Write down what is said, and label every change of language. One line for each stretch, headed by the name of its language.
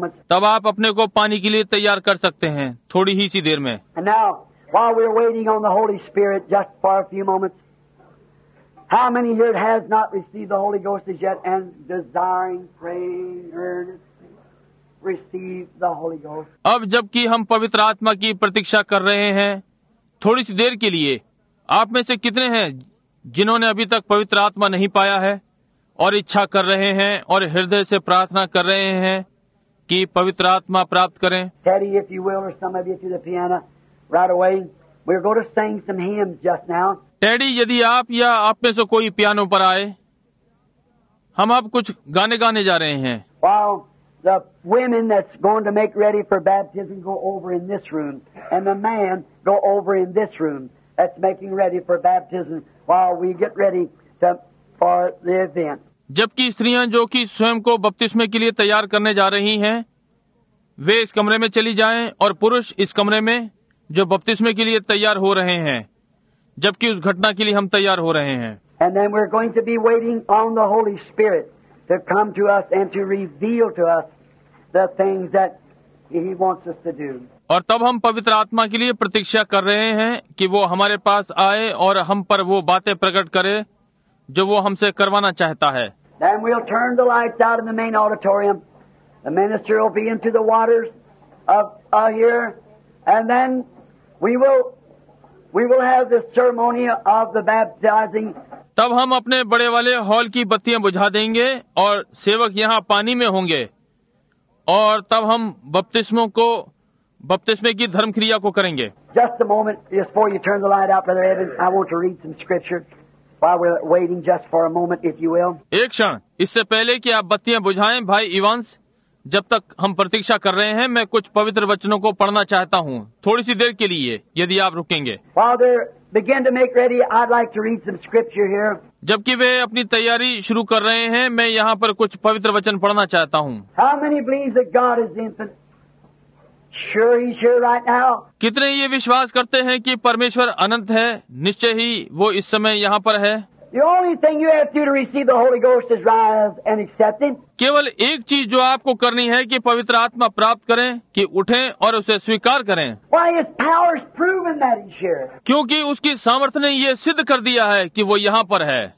Hindi: तब आप अपने को पानी के लिए तैयार कर सकते हैं थोड़ी ही सी देर में.
English: And now, while we're waiting on the Holy Spirit just for a few moments, how many here has not received the Holy Ghost as yet and desiring, praying, earnestly receive the Holy Ghost?
Hindi: अब जबकि हम पवित्र आत्मा की प्रतीक्षा कर रहे हैं थोड़ी सी देर के लिए, आप में से कितने हैं जिन्होंने अभी तक पवित्र आत्मा नहीं पाया है और इच्छा कर रहे हैं और हृदय से प्रार्थना कर रहे हैं कि पवित्र आत्मा प्राप्त करें?
English: Teddy, if you will, or some of you through the piano, right away, we're going to sing some hymns just now.
Hindi: Teddy, यदि आप या आप में से कोई पियानो पर आए, हम अब कुछ गाने गाने जा रहे हैं.
English: While the women that's going to make ready for baptism go over in this room, and the man go over in this room that's making ready for baptism, while we get ready to for the event.
Hindi: जबकि स्त्रियां जो कि स्वयं को बपतिस्मे के लिए तैयार करने जा रही हैं, वे इस कमरे में चली जाएं और पुरुष इस कमरे में जो बपतिस्मे के लिए तैयार हो रहे हैं, जबकि उस घटना के लिए हम तैयार हो रहे हैं.
English: And then we're going to be waiting on the Holy Spirit to come to us and to reveal to us the things that He wants us to do.
Hindi: और तब हम पवित्र आत्मा के लिए प्रतीक्षा कर रहे हैं कि वो हमारे पास आए और हम पर वो बातें प्रकट करे जो वो हमसे करवाना चाहता है.
English: Then we'll turn the lights out in the main auditorium. The minister will be into the waters of here, and then we will have the ceremony of the baptizing.
Hindi: तब हम अपने बड़े वाले हॉल की बत्तियां बुझा देंगे और सेवक यहाँ पानी में होंगे और तब हम बपतिस्मे की धर्म क्रिया को करेंगे.
English: Just a moment before you turn the light out, Brother Evans, I want to read some scripture. While we're waiting just for a moment, if you will.
Hindi: एक क्षण, इससे पहले कि आप बत्तियां बुझाएं, भाई इवांस, जब तक हम प्रतीक्षा कर रहे हैं, मैं कुछ पवित्र वचनों को पढ़ना चाहता हूँ थोड़ी सी देर के लिए यदि आप रुकेंगे.
English: Father, begin to make ready. I'd like to read some scripture here.
Hindi: जबकि वे अपनी तैयारी शुरू कर रहे हैं, मैं यहाँ पर कुछ पवित्र वचन पढ़ना चाहता हूँ.
English: How many believe that God is infinite? Sure he's here right now.
Hindi: कितने ये विश्वास करते हैं कि परमेश्वर अनंत है? निश्चय ही वो इस समय यहाँ पर है.
English: The only thing you have to do to receive the Holy Ghost is rise and accept him.
Hindi: केवल एक चीज जो आपको करनी है कि पवित्र आत्मा प्राप्त करें, कि उठें और उसे स्वीकार करें.
English: Why his power is proven that he's here.
Hindi: क्योंकि उसकी सामर्थ्य ने ये सिद्ध कर दिया है कि वो यहाँ पर है.